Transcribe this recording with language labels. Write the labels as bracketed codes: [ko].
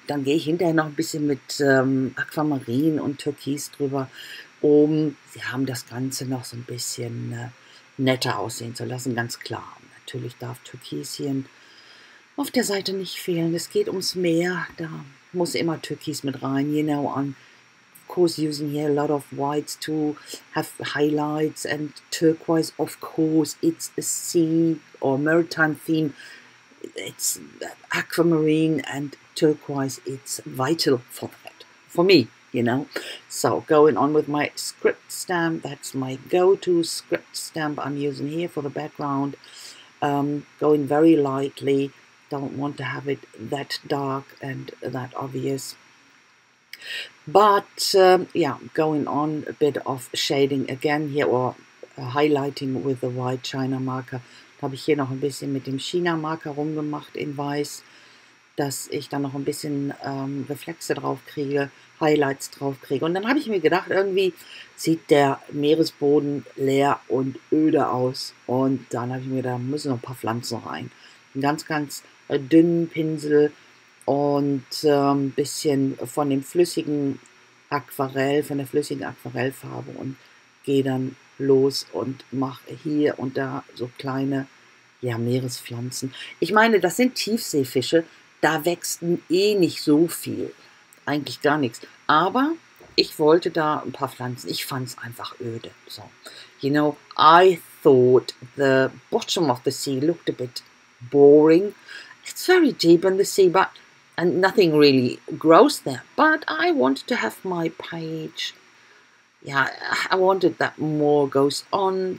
[de] Dann gehe ich hinterher noch ein bisschen mit Aquamarin und Türkis drüber, um sie haben das Ganze noch so ein bisschen netter aussehen zu lassen, ganz klar. Natürlich darf Türkischen auf der Seite nicht fehlen. Es geht ums Meer, da muss immer Türkis mit rein. [en] You know, I'm of course using here a lot of whites to have highlights, and turquoise, of course, it's a sea or maritime theme. It's aquamarine and turquoise, it's vital for that, for me, you know. So, going on with my script stamp, that's my go-to script stamp I'm using here for the background. Going very lightly, don't want to have it that dark and that obvious. But yeah, going on a bit of shading again here, or highlighting with the white China marker. [de] Da habe ich hier noch ein bisschen mit dem China Marker rumgemacht in weiß, dass ich da noch ein bisschen Reflexe drauf kriege, Highlights drauf kriege. Und dann habe ich mir gedacht, irgendwie sieht der Meeresboden leer und öde aus. Und dann habe ich mir gedacht, da müssen noch ein paar Pflanzen rein. Ein ganz, ganz dünnen Pinsel und ein bisschen von dem flüssigen Aquarell, von der flüssigen Aquarellfarbe, und gehe dann los und mache hier und da so kleine, ja, Meerespflanzen. Ich meine, das sind Tiefseefische, da wächst eh nicht so viel. Eigentlich gar nichts. Aber Ich wollte da ein paar Pflanzen. Ich fand es einfach öde. So. [en] You know, I thought the bottom of the sea looked a bit boring. It's very deep in the sea, but and nothing really grows there. But I wanted to have my page. Yeah, I wanted that more goes on.